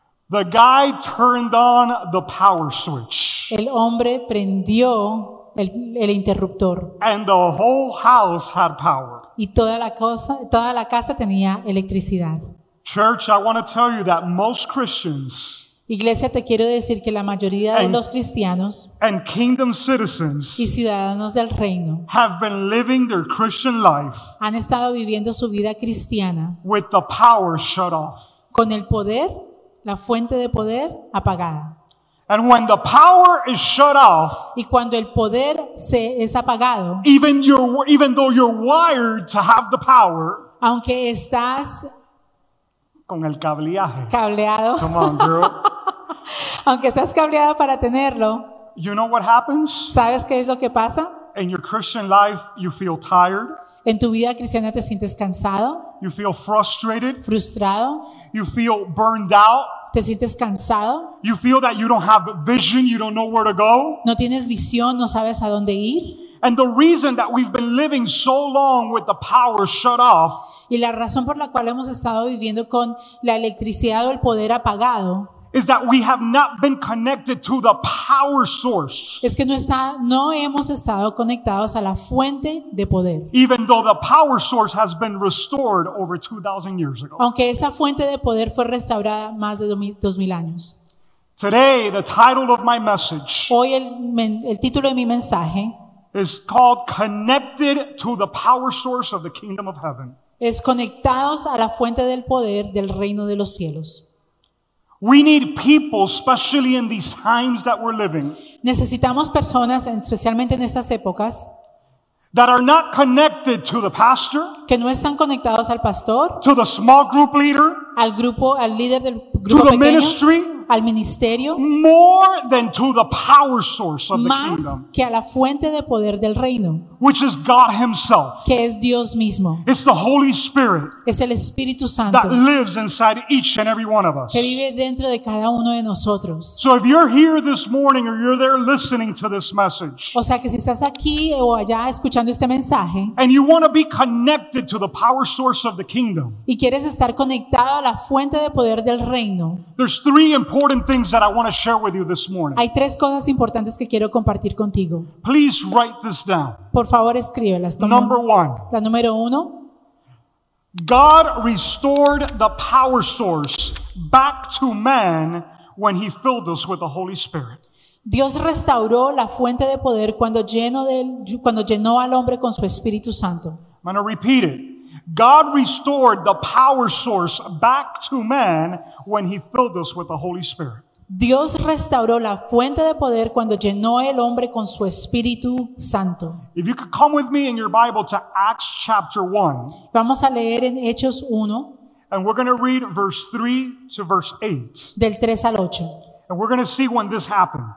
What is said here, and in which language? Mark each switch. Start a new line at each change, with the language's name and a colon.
English: The guy turned on the power switch.
Spanish: El hombre prendió el interruptor.
English: And the whole house had power.
Spanish: Y toda la casa tenía electricidad.
English: Church, I want to tell you that most Christians,
Spanish: Iglesia, te quiero decir que la mayoría de los cristianos
English: and kingdom citizens
Spanish: y ciudadanos del reino
English: have been living their Christian life
Spanish: han estado viviendo su vida cristiana
English: with the power shut off.
Spanish: Con el poder, la fuente de poder apagada.
English: And when the power is shut off,
Spanish: y cuando el poder se es apagado,
English: even though you're wired to have the power,
Spanish: aunque estás con el cableaje. Cableado.
English: Come on, girl.
Spanish: Aunque seas cableado para tenerlo.
English: You know what happens?
Spanish: ¿Sabes qué es lo que pasa?
English: In your Christian life, you feel tired.
Spanish: En tu vida cristiana te sientes cansado.
English: You feel frustrated.
Spanish: Frustrado.
English: You feel burned out.
Spanish: Te sientes cansado.
English: You feel that you don't have vision, you don't know where to go.
Spanish: No tienes visión, no sabes a dónde ir.
English: And the reason that we've been living so long with the power shut off,
Spanish: y la razón por la cual hemos estado viviendo con la electricidad o el poder apagado,
English: is that we have not been connected to the power source.
Spanish: Es que no hemos estado conectados a la fuente de poder.
English: Even though the power source has been restored over 2,000 years ago.
Spanish: Aunque esa fuente de poder fue restaurada más de 2,000 años.
English: Today, the title of my message.
Spanish: Hoy el título de mi mensaje.
English: Is called connected to the power source of the kingdom of heaven.
Spanish: Es conectados a la fuente del poder del reino de los cielos.
English: We need people, especially in these times that we're living.
Spanish: Necesitamos personas, especialmente en estas épocas,
English: that are not connected to the pastor,
Spanish: que no están conectados al pastor,
English: to the small group leader,
Spanish: al grupo, al líder del grupo pequeño,
English: to the ministry,
Spanish: al ministerio,
English: more than to the power source of
Spanish: más
English: the kingdom,
Spanish: que a la fuente de poder del reino,
English: which is God himself,
Spanish: que es Dios mismo.
English: It's the Holy Spirit,
Spanish: es el Espíritu Santo,
English: that lives inside each and every one of us,
Spanish: que vive dentro de cada uno de nosotros.
English: So if you're here this morning or you're there listening to this message,
Spanish: o sea que si estás aquí o allá escuchando este mensaje,
English: and you want to be connected to the power source of the kingdom,
Spanish: y quieres estar conectado a la fuente de poder del reino,
English: there's three important things that I want to share with you this morning.
Spanish: Hay tres cosas importantes que quiero compartir contigo.
English: Please write this down.
Spanish: Por favor, escríbelas.
English: Number one.
Spanish: La número uno.
English: God restored the power source back to man when he filled us with the Holy Spirit.
Spanish: Dios restauró la fuente de poder cuando llenó al hombre con su Espíritu Santo.
English: I'm going to repeat it. God restored the power source back to man when he filled us with the Holy Spirit.
Spanish: Dios restauró la fuente de poder cuando llenó el hombre con su Espíritu Santo.
English: If you could come with me in your Bible to Acts chapter 1.
Spanish: Vamos a leer en Hechos 1.
English: And we're going to read verse 3 to verse 8.
Spanish: Del 3 al 8.
English: And we're going to see when this happened.